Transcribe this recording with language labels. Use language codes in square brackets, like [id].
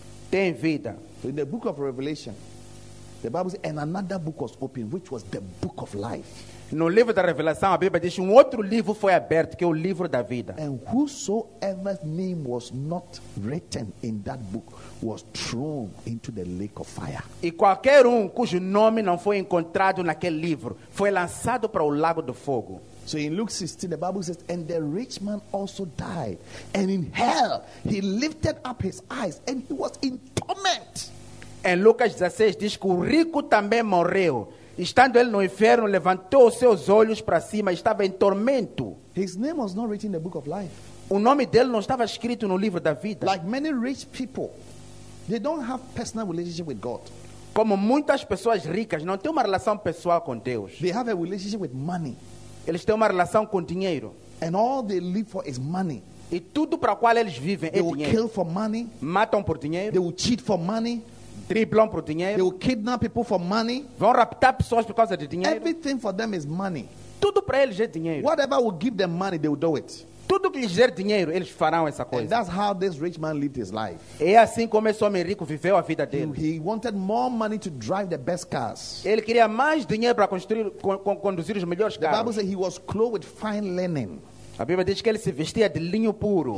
[pt] Tem vida. [en] So in the book of Revelation, the Bible says, and another book was opened, which was the book of life. [pt] No livro da Revelação, a Bíblia diz, outro livro foi aberto, que é o livro da vida. [en] And whosoever's name was not written in that book was thrown into the lake of fire. [pt] E qualquer cujo nome não foi encontrado naquele livro foi lançado para o lago do fogo. [en] So in Luke 16, the Bible says, and the rich man also died. And in hell, he lifted up his eyes and he was in torment. [pt] Em Lucas 16, diz que o rico também morreu. Estando ele no inferno, levantou os seus olhos para cima e estava em tormento. [en] His name was not written in the book of life. [pt] O nome dele não estava escrito no livro da vida. [en] Like many rich people, they don't have personal relationship with God. [pt] Como muitas pessoas ricas não têm uma relação pessoal com Deus. [en] They have a relationship with money. [pt] Eles têm uma relação com dinheiro. [en] And all they live for is money. [pt] E tudo para o qual eles vivem [en] they [pt] é dinheiro. [en] They will kill for money. [pt] Matam por dinheiro. [en] They will cheat for money. [pt] Triplam por dinheiro. [en] They will kidnap people for money. [pt] Vão raptar pessoas por causa de dinheiro. [en] Everything for them is money. [pt] Tudo para eles é dinheiro. [en] Whatever will give them money, they will do it. [pt] Tudo que lhes der dinheiro, eles farão essa coisa. [en] And that's how this rich man lived his life. [pt] É assim como esse homem rico viveu a vida dele. [en] He wanted more money to drive the best cars. [pt] Ele queria mais dinheiro para construir, conduzir os melhores carros. [en] The Bible says he was clothed with fine linen. [pt] A Bíblia diz que ele se vestia de linho puro.